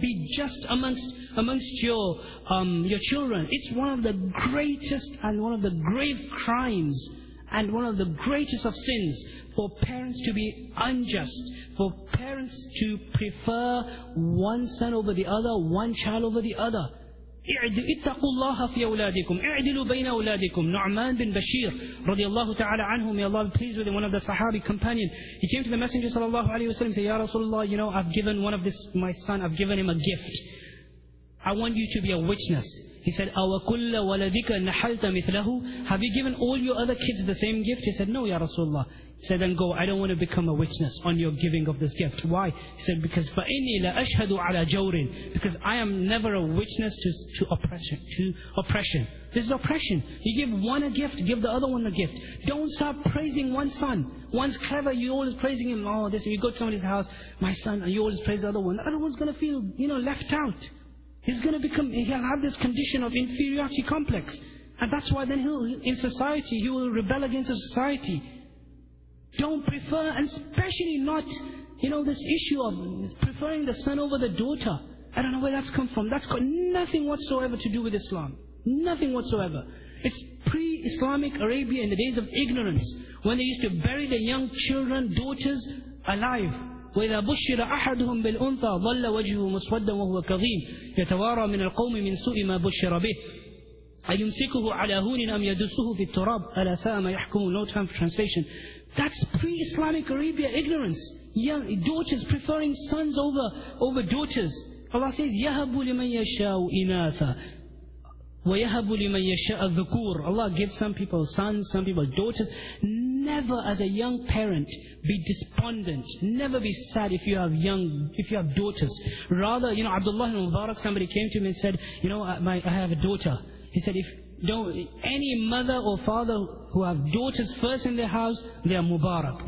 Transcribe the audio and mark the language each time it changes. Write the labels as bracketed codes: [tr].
[en] Be just amongst your children. It's one of the greatest and one of the grave crimes and one of the greatest of sins for parents to be unjust, for parents to prefer one son over the other, one child over the other. [ar] اتقوا الله في أولادكم اعدلوا بين أولادكم نعمان بن بشير رضي الله تعالى عنه [en] may Allah be pleased with him, one of the Sahabi companion. He came to the Messenger [ar] صلى الله عليه وسلم [en] and said, Ya Rasulullah, you know, I've given one of this, my son, I've given him a gift. I want you to be a witness. He said, [ar] أَوَكُلَّ وَلَدِكَ نَحَلْتَ مِثْلَهُ. [en] Have you given all your other kids the same gift? He said, no, Ya Rasulullah. He said, then go. I don't want to become a witness on your giving of this gift. Why? He said, because [ar] فَإِنِّي لَأَشْهَدُ عَلَى جَوْرٍ. [en] Because I am never a witness to oppression. This is oppression. You give one a gift, give the other one a gift. Don't start praising one son. One's clever, you're always praising him. Oh, this, you go to somebody's house, my son, and you always praise the other one. The other one's going to feel, you know, left out. He's going to become, he'll have this condition of inferiority complex. And that's why then he will rebel against the society. Don't prefer, and especially not, you know, this issue of preferring the son over the daughter. I don't know where that's come from. That's got nothing whatsoever to do with Islam. Nothing whatsoever. It's pre-Islamic Arabia in the days of ignorance, when they used to bury their young children, daughters, alive. [ar] وَإِذَا بُشِّرَ أَحَدُهُمْ بِالْأُنْثَى ظَلَّ وَجْهُهُ مُسْوَدًّا وَهُوَ كَظِيمٌ يَتَوَارَى مِنَ الْقَوْمِ مِنْ سُوءِ مَا بُشِّرَ بِهِ أَيُمْسِكُهُ عَلَى هُونٍ أَمْ يَدُسُّهُ فِي التُّرَابِ أَلَا سَاءَ مَا يَحْكُمُونَ. [en] No time for translation. That's pre-Islamic Arabia ignorance. Young daughters preferring sons over daughters. Allah says, [ar] يَهَبُ لِمَنْ يَشَاءُ إِنَاثًا وَيَهَبُ لِمَنْ يَشَاءَ الذُّكُورَ. [en] Allah gives some people sons, some people daughters. Never as a young parent be despondent. Never be sad if you have daughters. Rather, you know, Abdullah ibn Mubarak, somebody came to me and said, you know, I have a daughter. He said, any mother or father who have daughters first in their house, they are Mubarak.